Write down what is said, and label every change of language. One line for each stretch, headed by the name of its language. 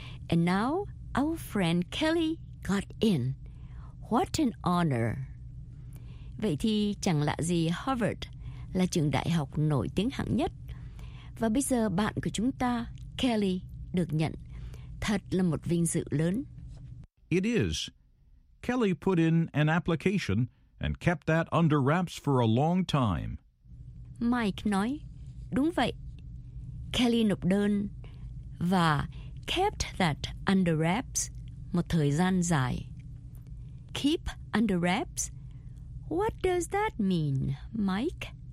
English: And now our friend Kelly got in. What an honor.
Vietnamese: Vậy thì chẳng lạ gì Harvard là trường đại học nổi tiếng hạng nhất. Và bây giờ bạn của chúng ta, Kelly, được nhận. Thật là một vinh dự lớn.
English: It is. Kelly put in an application and kept that under wraps for a long time.
Vietnamese: Mike nói, đúng vậy. Kelly nộp đơn và
English: kept that under wraps
Vietnamese: một thời gian dài.
English: Keep under wraps? What does that mean, Mike?